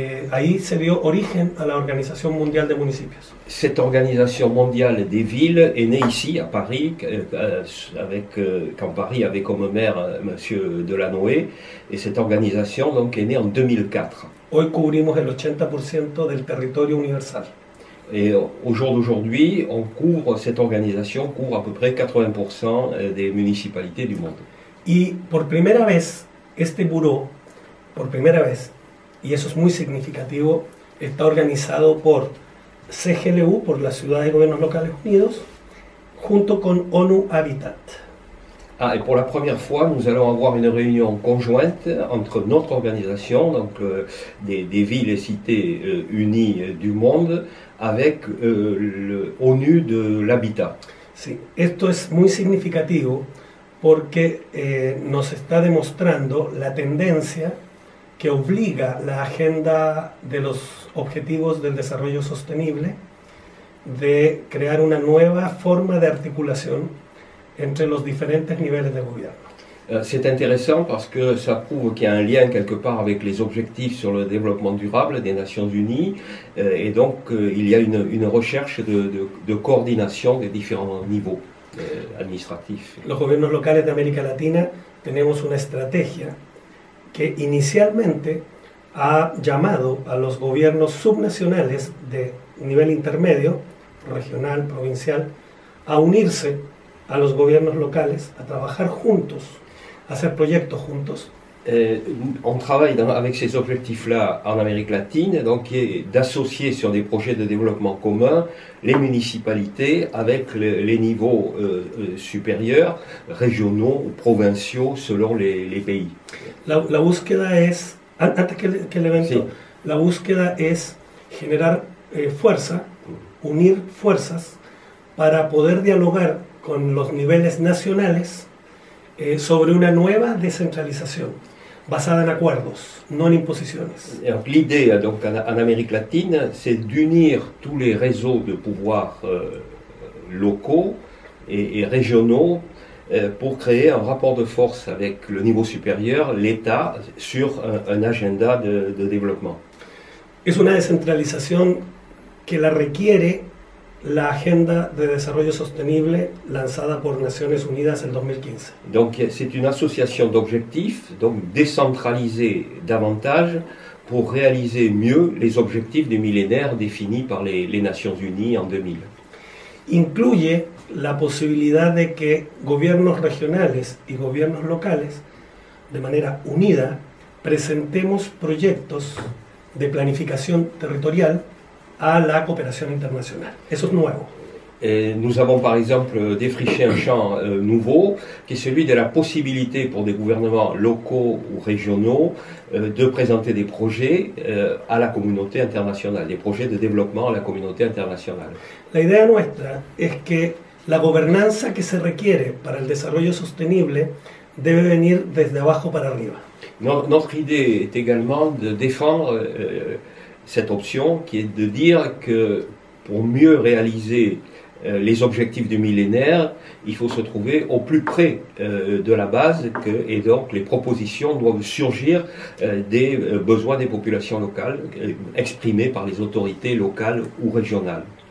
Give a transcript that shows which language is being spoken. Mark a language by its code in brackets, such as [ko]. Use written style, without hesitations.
[es] Ahí se dio origen a la Organización Mundial de Municipios. [fr] Cette organisation mondiale des villes est née ici, à Paris, quand Paris avait comme maire M. Delannoy. Et cette organisation donc, est née en 2004. [es] Hoy cubrimos el 80% del territorio universal. [fr] Et au jour d'aujourd'hui, cette organisation couvre à peu près 80% des municipalités du monde. [es] Y por primera vez, este buró, por primera vez, y eso es muy significativo, está organizado por CGLU, por las Ciudades y Gobiernos Locales Unidos, junto con ONU Habitat. [fr] Ah, et pour la première fois, nous allons avoir une réunion conjointe entre notre organisation, des villes et cités unies du monde, avec l'ONU de l'Habitat. [es] Sí, esto es muy significativo porque nos está demostrando la tendencia que obliga la agenda de los Objetivos del Desarrollo Sostenible de crear una nueva forma de articulación entre los diferentes niveles de gobierno. [fr] C'est intéressant parce que ça prouve qu'il y a un lien quelque part avec les objectifs sur le développement durable des Nations Unies, et donc il y a une recherche de coordination des différents niveaux administratifs. [es] Los gobiernos locales de América Latina tenemos una estrategia que inicialmente ha llamado a los gobiernos subnacionales de nivel intermedio, regional, provincial, a unirse a los gobiernos locales, a trabajar juntos, a hacer proyectos juntos. [fr] On travaille avec ces objectifs-là en Amérique latine, donc qui est d'associer sur des projets de développement commun les municipalités avec les niveaux supérieurs, régionaux ou provinciaux, selon les pays. [es] La búsqueda es, antes que el Si. evento, la búsqueda es generar fuerza, unir fuerzas para poder dialogar con los niveles nacionales sobre una nueva descentralización basada en acuerdos, no en imposiciones. [fr] L'idée donc en Amérique latine, c'est d'unir tous les réseaux de pouvoirs locaux et régionaux pour créer un rapport de force avec le niveau supérieur, l'État, sur un agenda de développement. [es] Es una descentralización que la requiere la Agenda de Desarrollo Sostenible lanzada por Naciones Unidas en 2015. [fr] Donc c'est une association d'objectifs, donc décentraliser davantage pour réaliser mieux les objectifs du millénaire définis par les Nations Unies en 2000. [es] Incluye la posibilidad de que gobiernos regionales y gobiernos locales, de manera unida, presentemos proyectos de planificación territorial a la cooperación internacional. Eso es nuevo. [fr] Et nous avons par exemple défriché un champ nouveau, qui est celui de la possibilité pour des gouvernements locaux ou régionaux de présenter des projets à la communauté internationale, des projets de développement à la communauté internationale. [es] La idea nuestra es que la gobernanza que se requiere para el desarrollo sostenible debe venir desde abajo para arriba. [fr] Notre idée est également de défendre cette option, qui est de dire que pour mieux réaliser les objectifs du millénaire, il faut se trouver au plus près de la base que, et donc les propositions doivent surgir des besoins des populations locales exprimés par les autorités locales ou régionales.